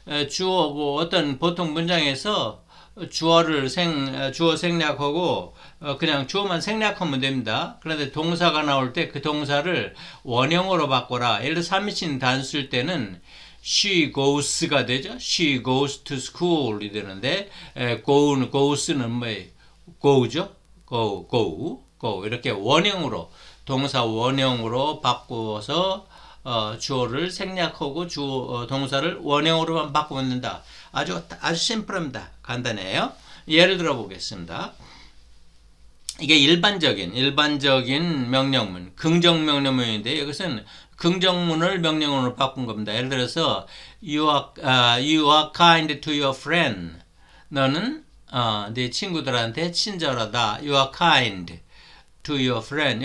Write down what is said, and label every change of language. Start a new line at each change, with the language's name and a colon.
Korean: 주어고 어떤 보통 문장에서 주어 생략하고 그냥 주어만 생략하면 됩니다. 그런데 동사가 나올 때 그 동사를 원형으로 바꿔라. 예를 들어 3인칭 단수일 때는
English: She goes
Korean: 가 되죠.
English: She goes to school
Korean: 이 되는데 goes는 뭐예요? go죠? go 이렇게 원형으로, 동사 원형으로 바꿔서 주어를 생략하고 동사를 원형으로만 바꾸면 된다. 아주 심플합니다. 간단해요. 예를 들어 보겠습니다. 이게 일반적인 명령문, 긍정 명령문인데 이것은 긍정문을 명령으로 바꾼 겁니다. 예를 들어서
English: you are kind to your friend.
Korean: 너는 네 친구들한테 친절하다.
English: You are kind to your friend.